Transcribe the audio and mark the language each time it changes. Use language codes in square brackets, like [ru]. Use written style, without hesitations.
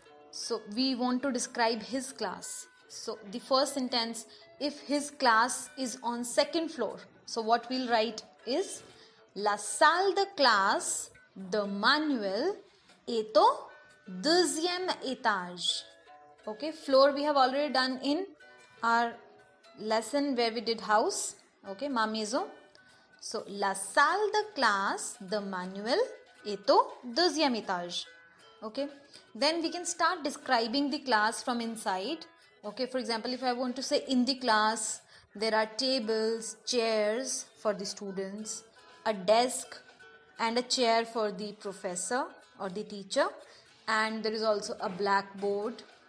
[en] So we want to describe his class. So the first sentence, if his class is on second floor, so what we'll write is [fr] la salle de classe de Manuel est au deuxième étage. [en] Okay, floor we have already done in our lesson where we did house. [fr] Okay, ma maison. So la salle de classe de Manuel est au deuxième étage. [en] Okay, then we can start describing the class from inside. Okay, for example, if I want to say in the class, there are tables, chairs for the students, a desk and a chair for the professor or the teacher, and there is also a blackboard.